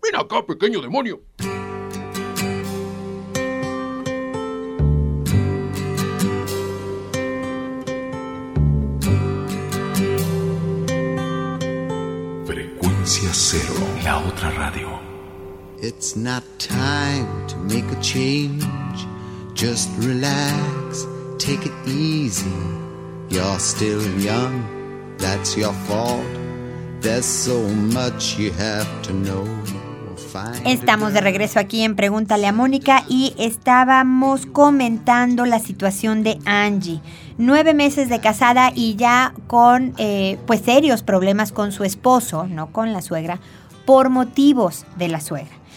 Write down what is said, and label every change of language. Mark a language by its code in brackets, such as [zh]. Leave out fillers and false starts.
[es] ¡Ven acá, pequeño demonio! Frecuencia Cero, La Otra Radio. [en] It's not time to make a change. Just relax, take it easy. You're still young, that's your fault. There's so much you have to know. [es] Estamos de regreso aquí en Pregúntale a Mónica y estábamos comentando la situación de Angie. 9 meses de casada y ya con pues serios problemas con su esposo, no con la suegra, por motivos de la suegra.